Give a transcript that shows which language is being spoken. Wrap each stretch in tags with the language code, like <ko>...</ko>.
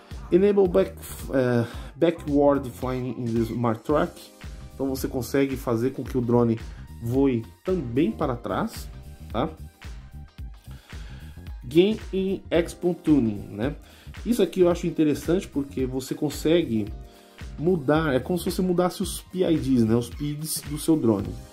<en>Enable backward flying in the smart track.</en> <pt>Então você consegue fazer com que o drone voe também para trás, tá?</pt> <en>Gain in X-Point Tuning, né?</en> <pt>Isso aqui eu acho interessante porque você consegue mudar, é como se você mudasse os PIDs, né? Os PIDs do seu drone.</pt>